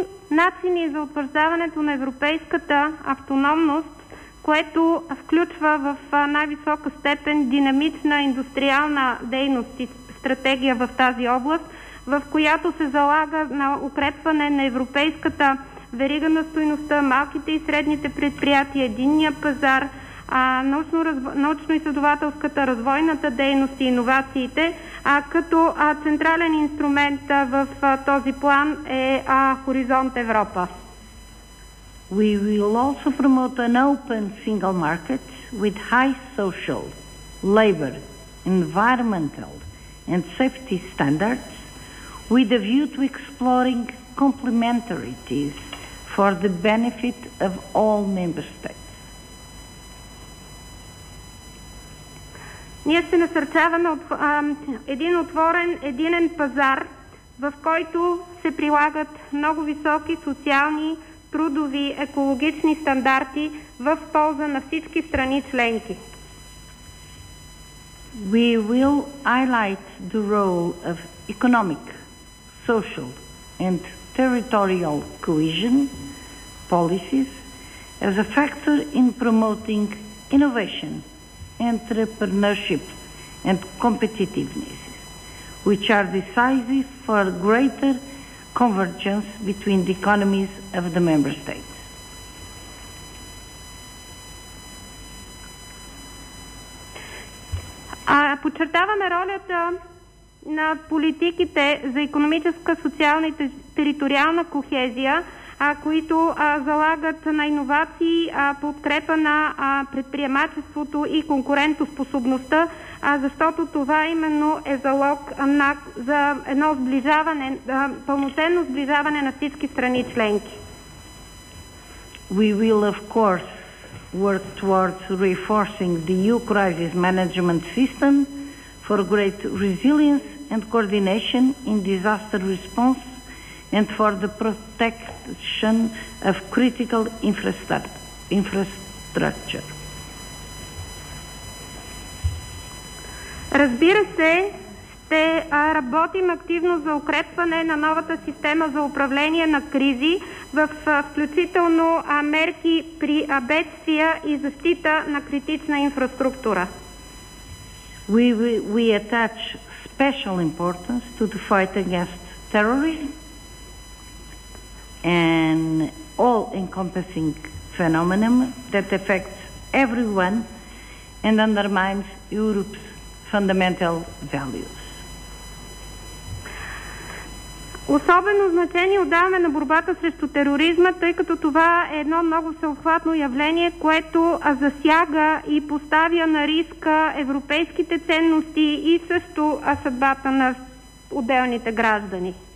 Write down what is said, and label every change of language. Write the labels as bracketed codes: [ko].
[bg] Начини за утвърждаването на европейската автономност, което включва в най-висока степен динамична индустриална дейност и стратегия в тази област, в която се залага на укрепване на европейската верига на стойността, малките и средните предприятия, единния пазар, научно-изследователската, развойната дейност и иновациите, като централен инструмент в този план е Хоризонт Европа. [en] We will also promote an open single market with high social, labor, environmental and safety standards with a view to exploring complementary it is for the benefit of all member states. [bg] Ние се насърчаваме от един отворен единен пазар, в който се прилагат много високи социални, трудови, екологични стандарти в полза на всички страни членки. [en] We will highlight the role of economic, social and territorial cohesion policies as a factor in promoting innovation, entrepreneurship and competitiveness, which are decisive for greater convergence between the economies of the member states. [bg] Подчертаваме ролята на политиките за икономическа, социална и териториална кохезия, които залагат на иновации, подкрепа на предприемачеството и конкурентоспособността, защото това именно е залог за едно сближаване, пълноценно сближаване на всички страни членки. [en] We will, of course, work towards reinforcing the EU crisis management system for great resilience and coordination in disaster response and for the protection of critical infrastructure. [bg] Разбира се, ще работим активно за укрепване на новата система за управление на кризи, включително мерки при бедствия и защита на критична инфраструктура. [en] We attach special importance to the fight against terrorism and all encompassing phenomenon that affects everyone and undermines Europe's fundamental values. [bg] Особено значение отдаваме на борбата срещу тероризма, тъй като това е едно много всеобхватно явление, което засяга и поставя на риска европейските ценности и също съдбата на отделните граждани.